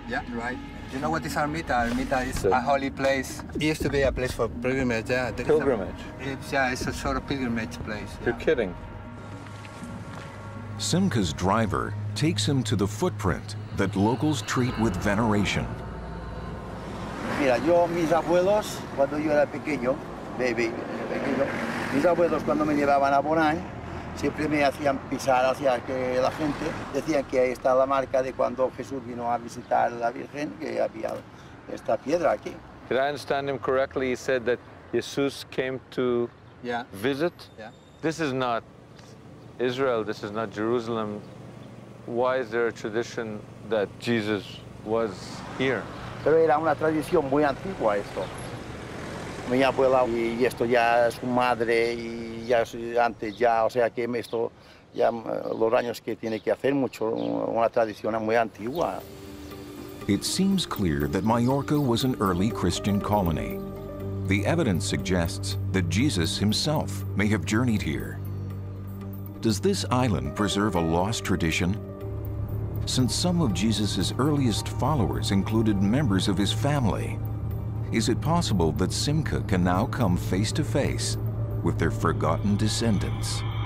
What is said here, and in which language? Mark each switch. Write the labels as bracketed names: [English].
[English] Yeah, right. Do you know what is Ermita? Ermita is a holy place. It used to be a place for pilgrimage. Yeah. It's a sort of pilgrimage place. Yeah. You're kidding. Simcha's driver takes him to the footprint that locals treat with veneration. [Spanish] Mira, yo, mis abuelos, cuando yo era pequeño, mis abuelos cuando me llevaban a Bonai, siempre me hacían pisar hacia que la gente decían que ahí está la marca de cuando Jesús vino a visitar a la Virgen, que había esta piedra aquí. [English] Did I understand him correctly? He said that Jesus came to visit? Yeah. This is not Israel, this is not Jerusalem. Why is there a tradition that Jesus was here? [Spanish] Pero era una tradición muy antigua esto. Mi abuela y esto ya su madre y ya antes ya, o sea que esto ya los años que tiene que hacer mucho, una tradición muy antigua. [English] It seems clear that Majorca was an early Christian colony. The evidence suggests that Jesus himself may have journeyed here. Does this island preserve a lost tradition? Since some of Jesus' earliest followers included members of his family, is it possible that Simcha can now come face to face with their forgotten descendants?